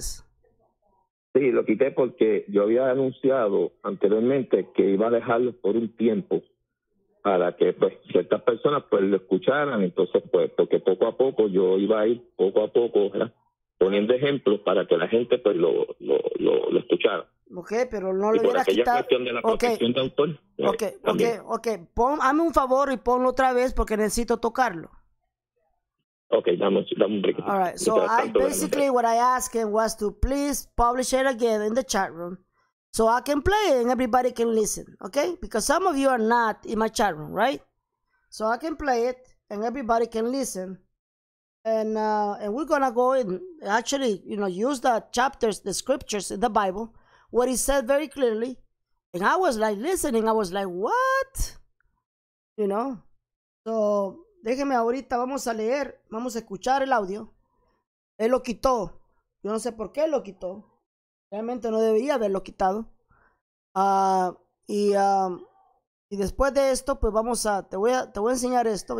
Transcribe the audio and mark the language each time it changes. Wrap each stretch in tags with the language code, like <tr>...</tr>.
<es>Sí, lo quité porque yo había anunciado anteriormente que iba a dejarlo por un tiempo para que pues ciertas personas pues lo escucharan, entonces pues porque poco a poco yo iba a ir poco a poco, ¿verdad? Poniendo ejemplos para que la gente pues lo escuchara. Okay, pero no lo hubiera quitado. Cuestión de la protección de autor. Okay. Pon, hazme un favor y ponlo otra vez porque necesito tocarlo. Okay, dame un</es> <en>break. All right. So I basically what I asked him was to please publish it again in the chat room so I can play it and everybody can listen, okay? Because some of you are not in my chat room, right? So I can play it and everybody can listen. And we're gonna go in actually, you know, use the chapters, the scriptures in the Bible, what he said very clearly. And I was like listening, I was like, what? You know? So</en> <es>déjeme ahorita, vamos a leer, vamos a escuchar el audio. Él lo quitó. Yo no sé por qué lo quitó. Realmente no debería haberlo quitado. Y después de esto, pues vamos a, te voy a enseñar esto.</es>